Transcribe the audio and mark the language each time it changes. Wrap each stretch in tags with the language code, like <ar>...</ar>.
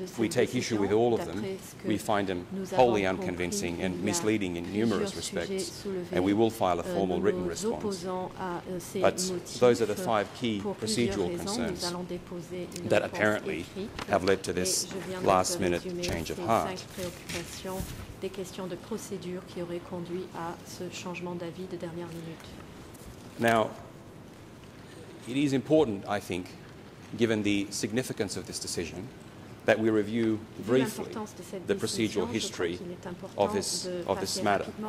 <en>We take issue with all of them. We find them wholly unconvincing and misleading in numerous respects, and we will file a formal written response. But those are the five key procedural concerns that apparently have led to this last-minute change of heart.</en> <fr>Des questions de procédure qui auraient conduit à ce changement d'avis de dernière minute.</fr> <en>Now, it is important, I think, given the significance of this decision, that we review briefly the procedural history of this matter.</en>